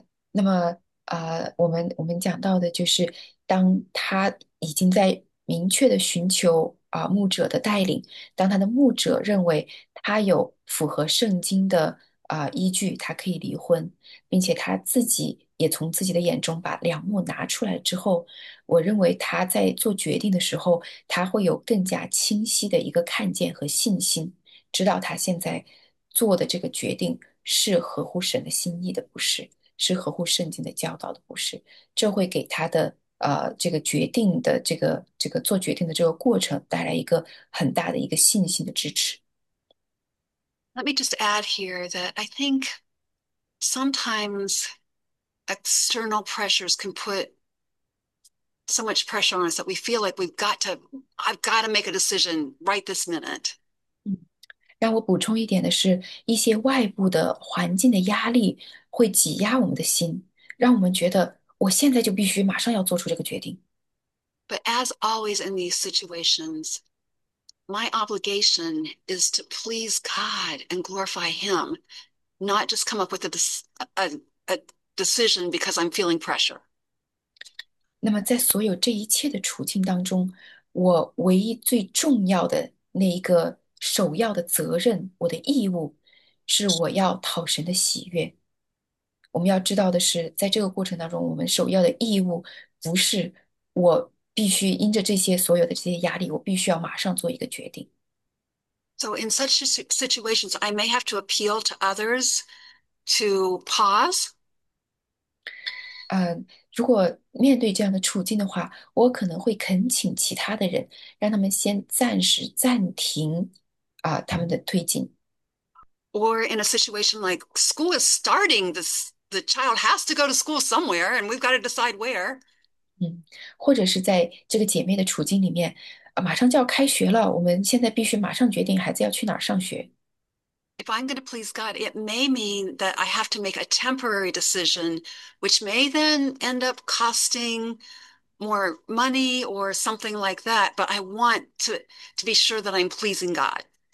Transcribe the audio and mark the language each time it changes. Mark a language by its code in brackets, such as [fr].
[zh] 那么，我们讲到的就是，当他已经在明确的寻求牧者的带领，当他的牧者认为他有符合圣经的依据，他可以离婚，并且他自己也从自己的眼中把梁木拿出来之后，我认为他在做决定的时候，他会有更加清晰的一个看见和信心，知道他现在做的这个决定是合乎神的心意的，不是。是合乎圣经的教导的，不是？这会给他的这个决定的这个做决定的这个过程带来一个很大的一个信心的支持。 [en] Let me just add here that I think sometimes external pressures can put so much pressure on us that we feel like I've got to make a decision right this minute. [zh] 让我补充一点的是，一些外部的环境的压力会挤压我们的心，让我们觉得我现在就必须马上要做出这个决定。 [en] But as always in these situations, my obligation is to please God and glorify Him, not just come up with a decision because I'm feeling pressure. [zh] 那么，在所有这一切的处境当中，我唯一最重要的那一个。首要的责任，我的义务，是我要讨神的喜悦。我们要知道的是，在这个过程当中，我们首要的义务不是我必须因着这些所有的这些压力，我必须要马上做一个决定。 [en] So, in such situations, I may have to appeal to others to pause. [zh] 如果面对这样的处境的话，我可能会恳请其他的人，让他们先暂时暂停。他们的推进。 [en] Or in a situation like school is starting, the child has to go to school somewhere, and we've got to decide where. [zh] 或者是在这个姐妹的处境里面，马上就要开学了，我们现在必须马上决定孩子要去哪儿上学。 [en] If I'm going to please God, it may mean that I have to make a temporary decision, which may then end up costing more money or something like that, but I want to be sure that I'm pleasing God.